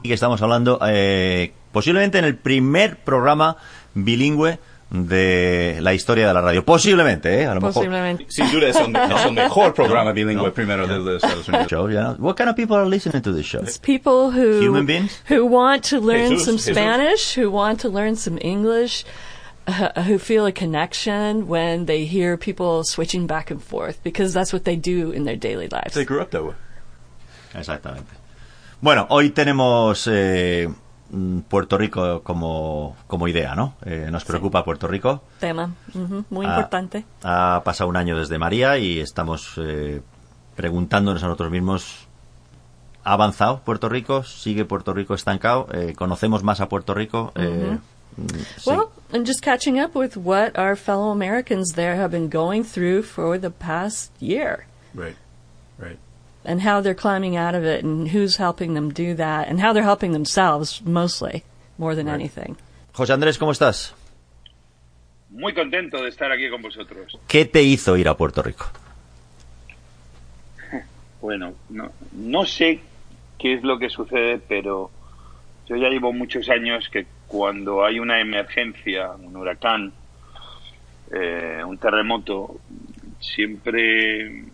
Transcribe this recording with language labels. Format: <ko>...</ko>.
<es>Y que estamos hablando, posiblemente en el primer programa bilingüe de la historia de la radio. Posiblemente, ¿eh? A lo posiblemente. Mejor. Sin duda es el mejor programa bilingüe primero de los Estados Unidos.</es> <en>Show, yeah. What kind of people are listening to this show? It's people who... Human beings? Who want to learn Spanish, who want to learn some English, who feel a connection when they hear people switching back and forth, because that's what they do in their daily lives. They grew up that way.</en> <es>Exactamente. Bueno, hoy tenemos... Puerto Rico como, como idea, ¿no? Nos preocupa sí. Puerto Rico. Tema. Uh-huh. Muy importante. Ha pasado un año desde María y estamos preguntándonos a nosotros mismos, ¿ha avanzado Puerto Rico? ¿Sigue Puerto Rico estancado? ¿Conocemos más a Puerto Rico? Sí.</es> <en>Well, and just catching up with what our fellow Americans there have been going through for the past year. Right. And how they're climbing out of it, and who's helping them do that, and how they're helping themselves, mostly, more than anything.</en> <es>José Andrés, ¿cómo estás? Muy contento de estar aquí con vosotros. ¿Qué te hizo ir a Puerto Rico? Bueno, no sé qué es lo que sucede, pero yo ya llevo muchos años que cuando hay una emergencia, un huracán, un terremoto, siempre...</es>